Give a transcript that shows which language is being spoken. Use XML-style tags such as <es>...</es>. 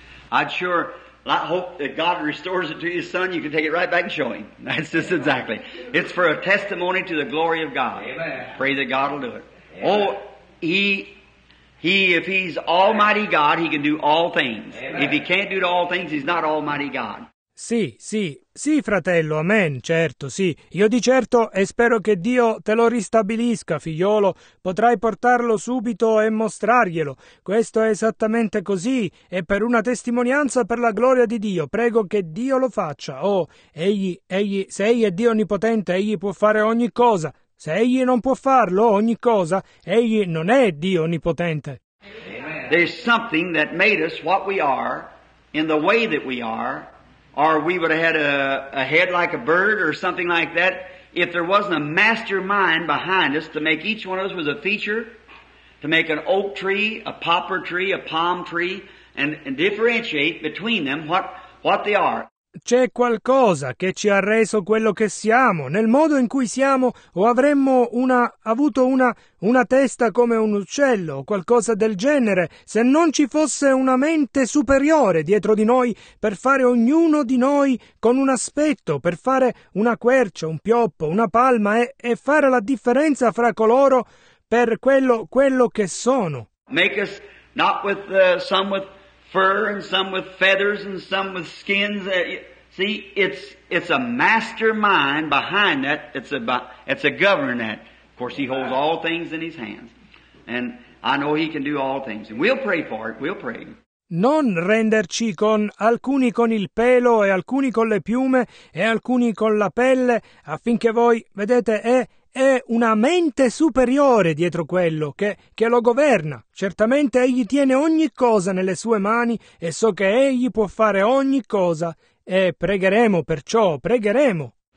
<en>I'd sure hope that God restores it to his son. You can take it right back and show him. That's just exactly. It's for a testimony to the glory of God. Amen. Pray that God will do it. Amen. Oh, he if he's Almighty God, he can do all things. Amen. If he can't do all things, he's not Almighty God.</en> <it>Sì, sì, sì, fratello, amen, certo, sì. Io di certo e spero che Dio te lo ristabilisca, figliolo. Potrai portarlo subito e mostrarglielo. Questo è esattamente così e per una testimonianza per la gloria di Dio. Prego che Dio lo faccia. Oh, se egli è Dio onnipotente, egli può fare ogni cosa. Se egli non può farlo, ogni cosa, egli non è Dio onnipotente.</it> <en>There's something that made us what we are in the way that we are. Or we would have had a head like a bird or something like that if there wasn't a mastermind behind us to make each one of us with a feature, to make an oak tree, a poplar tree, a palm tree, and differentiate between them what they are.</en> <it>C'è qualcosa che ci ha reso quello che siamo, nel modo in cui siamo, o avremmo avuto una testa come un uccello, o qualcosa del genere, se non ci fosse una mente superiore dietro di noi per fare ognuno di noi con un aspetto, per fare una quercia, un pioppo, una palma e fare la differenza fra coloro per quello che sono.</it> <en>Make us not with some with fur and some with feathers and some with skins. See, it's a mastermind behind that. It's a governing that. Of course, he holds all things in his hands, and I know he can do all things. And we'll pray for it. We'll pray.</en> <it>Non renderci con alcuni con il pelo e alcuni con le piume e alcuni con la pelle, affinché voi vedete è una mente superiore dietro quello che lo governa. Certamente egli tiene ogni cosa nelle sue mani e so che egli può fare ogni cosa e pregheremo perciò, pregheremo.</it>